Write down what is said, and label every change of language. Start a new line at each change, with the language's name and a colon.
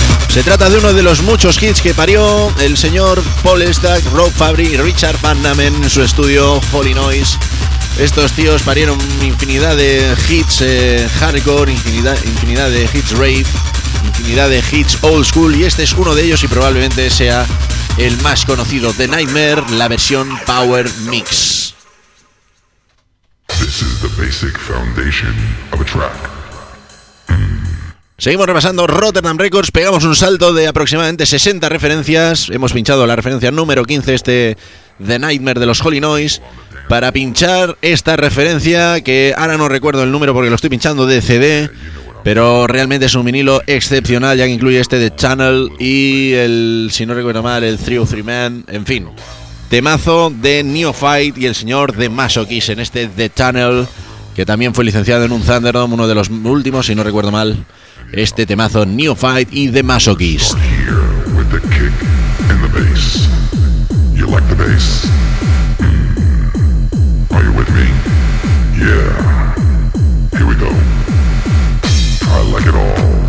Spanish: Se trata de uno de los muchos hits que parió el señor Paul Stack, Rob Fabry y Richard Van Damme en su estudio Holy Noise. Estos tíos parieron infinidad de hits hardcore, infinidad de hits rave, infinidad de hits old school, y este es uno de ellos y probablemente sea el más conocido, The Nightmare, la versión Power Mix.
English: This is the basic foundation of a track.
Spanish: Seguimos repasando Rotterdam Records, pegamos un salto de aproximadamente 60 referencias, hemos pinchado la referencia número 15, este The Nightmare de los Holy Noise, para pinchar esta referencia, que ahora no recuerdo el número porque lo estoy pinchando de CD, pero realmente es un vinilo excepcional, ya que incluye este de Channel y el, si no recuerdo mal, el 303 Man, en fin, temazo de Neophyte y el señor de Masochis en este The Channel, que también fue licenciado en un Thunderdome, uno de los últimos, si no recuerdo mal. Este temazo Neophyte y The Masochist.
English: Start here with the kick and the bass. You like the bass? Are you with me? Yeah. Here we go. I like it all.